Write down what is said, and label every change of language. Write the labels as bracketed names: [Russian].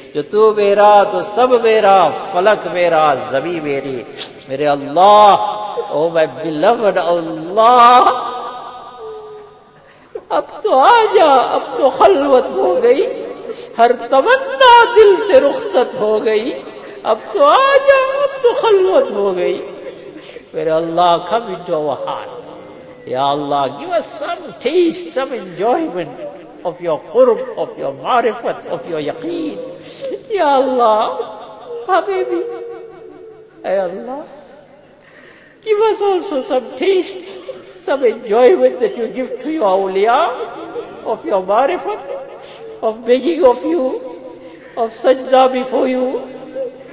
[Urdu] جو تو میرا تو سب میرا، فلک میرا، زمین میری. میرے اللہ، [English] oh my beloved [Urdu] اللہ، اب تو آ جا، اب تو خلوت ہو گئی، ہر تمنا دل سے رخصت ہو گئی، اب تو آ جا، اب تو خلوت ہو گئی. میرے اللہ، [English] Come into our hearts. یا Allah, give us some taste, some enjoyment of your qurb, of your marifat, of your yaqeen. [Arabic] Ya Allah, habibi, ay Allah, [English] Give us also some taste, some enjoyment that you give to your awliya, of your marifat, of begging of you, of sajda before you.